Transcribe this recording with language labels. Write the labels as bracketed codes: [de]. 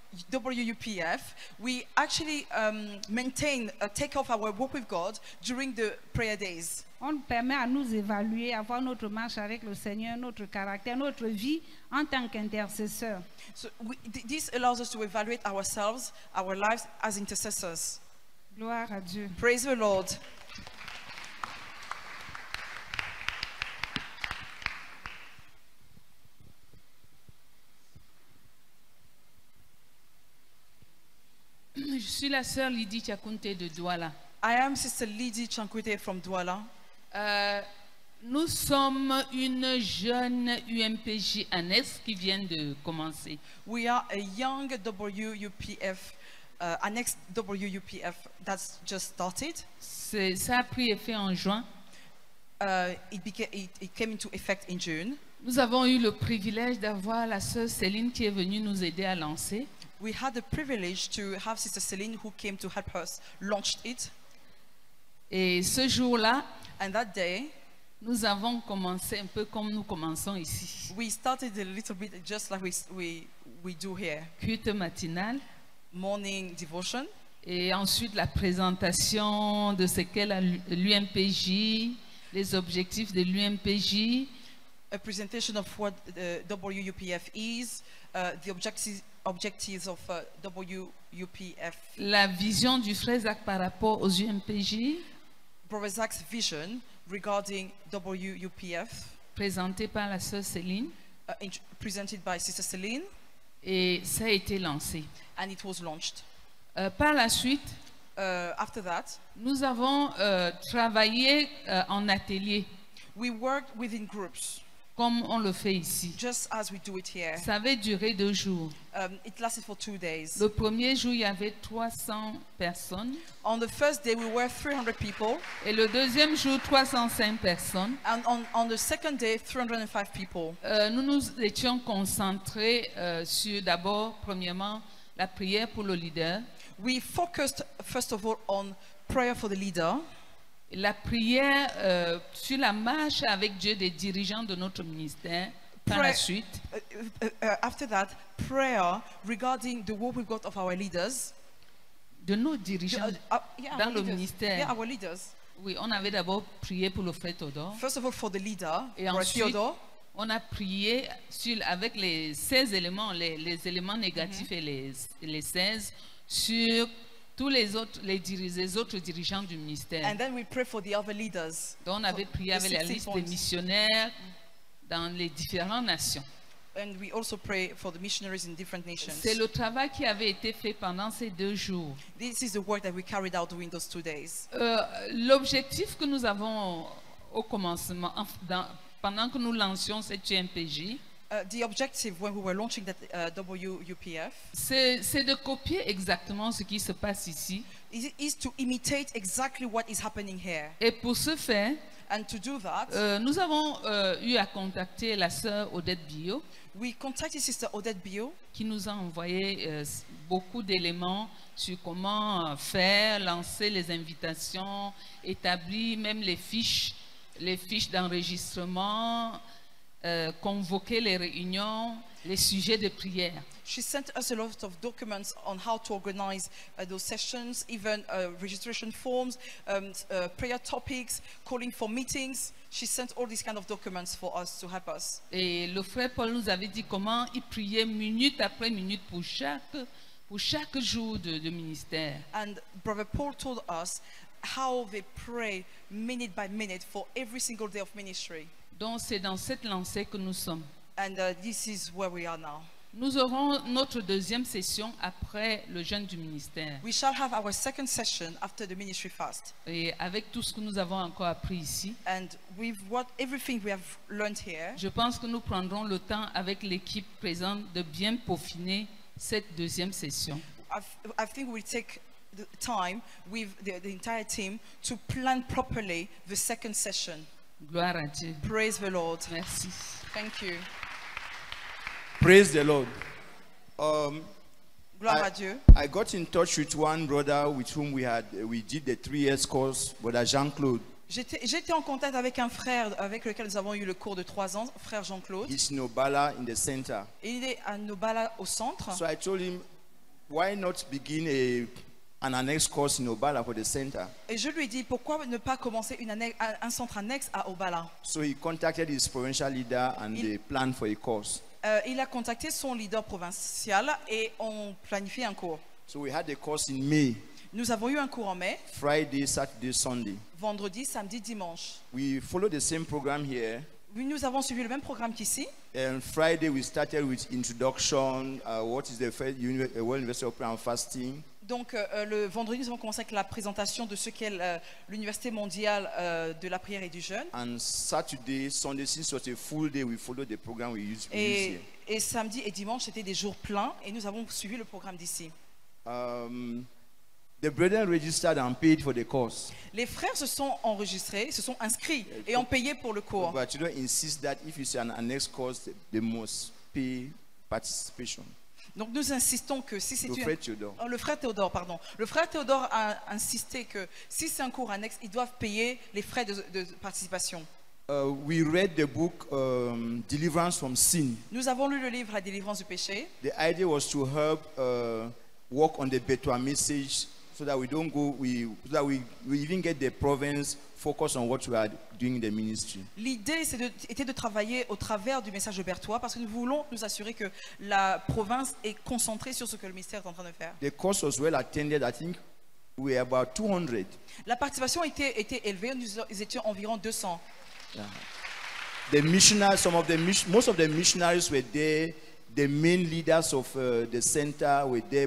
[en] WUPF, we actually maintain take off our walk with God during the prayer days. [fr] On permet à nous évaluer, avoir notre marche avec le Seigneur, notre caractère, notre vie en tant qu'intercesseur. [en] So we, this allows us to evaluate ourselves, our lives as intercessors. [fr] Gloire à Dieu. [en] Praise the Lord. [fr] Je suis la sœur Lydie Chakunte de Douala. [en] I am Sister Lydie Chakunte from Douala. [fr] Nous sommes une jeune UMPJ annexe qui vient de commencer. [en] We are a young WUPF, annex WUPF that's just started. [fr] Ça a pris effet en juin. [en] It came into effect in June. [fr] Nous avons eu le privilège d'avoir la sœur Céline qui est venue nous aider à lancer. [en] We had the privilege to have Sister Celine who came to help us launch it. [fr] Et ce jour-là, [en] and that day, [fr] nous avons commencé un peu comme nous commençons ici. [en] We started a little bit just like we do here. [fr] Culte matinal, [en] morning devotion, [fr] et ensuite la présentation de ce qu'est l'UMPJ, les objectifs de l'UMPJ. [en] A presentation of what the WUPF is, the objectives of WUPF. [fr] La vision du frère Zach par rapport aux UMPJ. [en] Brother Zach's vision regarding WUPF. [fr] Présenté par la sœur Céline. [en] Presented by Sister Celine. [fr] Et ça a été lancé. [en] And it was launched. [fr] Par la suite, [en] after that, [fr] nous avons travaillé en atelier. [en] We worked within groups. [fr] Comme on le fait ici. [en] Just as we do it here. [fr] Ça avait duré deux jours. [en] It lasted for two days. [fr] Le premier jour, il y avait 300 personnes. [en] On the first day, we were 300 people. [fr] Et le deuxième jour, 305 personnes. [en] And on the second day, 305 people. [fr] Nous nous étions concentrés sur d'abord, premièrement, la prière pour le leader. [en] We focused first of all on prayer for the leader. [fr] La prière sur la marche avec Dieu des dirigeants de notre ministère par la suite. [en] After that, prayer regarding the work we've got of our leaders. [fr] De nos dirigeants dans le ministère. [en] Yeah, our leaders. [fr] Oui, on avait d'abord prié pour le frère Théodore. [en] First of all, for the leader, [fr] et ensuite, on a prié sur, avec les 16 éléments, les éléments négatifs mm-hmm. et les 16, sur tous les autres dirigeants du ministère. [en] And then we pray for the other leaders. [fr] Donc on avait prié avec la liste des missionnaires dans les différentes nations. [en] And we also pray for the missionaries in different nations. [fr] C'est le travail qui avait été fait pendant ces deux jours. [en] This is the work that we carried out during those two days. [fr] L'objectif que nous avons au commencement, pendant que nous lancions cette UMPJ, [en] the objective when we were launching that WUPF, [fr] c'est de copier exactement ce qui se passe ici. [en] Is to imitate exactly what is happening here. [fr] Et pour ce faire, [en] and to do that, [fr] nous avons eu à contacter la sœur Odette Bio. [en] We contacted Sister Odette Bio, [fr] qui nous a envoyé beaucoup d'éléments sur comment faire, lancer les invitations, établir même les fiches d'enregistrement. Convoquer les réunions, les sujets de prière. [en] She sent us a lot of documents on how to organize those sessions, even registration forms, prayer topics, calling for meetings. She sent all these kind of documents for us to help us. [fr] Et le frère Paul nous avait dit comment il priait minute après minute pour chaque jour de ministère. [en] And Brother Paul told us how they pray minute by minute for every single day of ministry. [fr] Donc c'est dans cette lancée que nous sommes. [en] And, this is where we are now. [fr] Nous aurons notre deuxième session après le jeûne du ministère. [en] We shall have our second session after the ministry fast. [fr] Et avec tout ce que nous avons encore appris ici, [en] and with what, everything we have learned here, [fr] je pense que nous prendrons le temps avec l'équipe présente de bien peaufiner cette deuxième session. [en] I think we'll take the time with the entire team to plan properly the second session. [fr] Gloire à Dieu. [en] Praise the Lord. [fr] Merci. [en] Thank you. Praise the Lord. [fr] Gloire à Dieu. [en] I got in touch with one brother with whom we did the 3 years course, Brother Jean-Claude. [fr] J'étais en contact avec un frère avec lequel nous avons eu le cours de 3 ans, frère Jean-Claude. [en] He's in Obala in the center. [fr] Il est à Obala au centre. [en] So I told him, why not begin a an annex course in Obala for the center? [fr] Et je lui dis pourquoi ne pas commencer une annexe, un centre annexe à Obala. [en] So he contacted his provincial leader and they planned for a course. [fr] Il a contacté son leader provincial et on planifie un cours. [en] So we had a course in May. [fr] Nous avons eu un cours en mai. [en] Friday, Saturday, Sunday. [fr] Vendredi, samedi, dimanche. [en] We followed the same program here. [fr] Oui, nous avons suivi le même programme qu'ici. [en] And Friday we started with introduction, what is the first World University of Prayer and Fasting. [fr] Donc le vendredi nous avons commencé avec la présentation de ce qu'est l'Université mondiale de la prière et du jeûne. [en] And Saturday, Sunday, since it was a full day, we followed the program we used here. [fr] Et samedi et dimanche c'était des jours pleins et nous avons suivi le programme d'ici. [en] The brethren registered and paid for the course. [fr] Les frères se sont enregistrés, se sont inscrits et ont payé pour le cours. [en] But you don't insist that if it's an annex course, they must pay participation. [fr] Donc nous insistons que si c'est le frère Théodore. Oh, le frère Théodore, pardon. Le frère Théodore a insisté que si c'est un cours annexe, ils doivent payer les frais de participation. [en] We read the book Deliverance from Sin. [fr] Nous avons lu le livre La délivrance du péché. [en] The idea was to help work on the Betwa message so that we don't go we even get the province focus on what we are doing in the ministry. [fr] L'idée était de travailler au travers du message de Bertois parce que nous voulons nous assurer que la province est concentrée sur ce que le ministère est en train de faire. [en] The course was well attended. I think we were about 200. [fr] La participation était élevée. Nous étions environ 200. [en] Yeah. The missionaries, most of the missionaries were there. The main leaders of the center were there.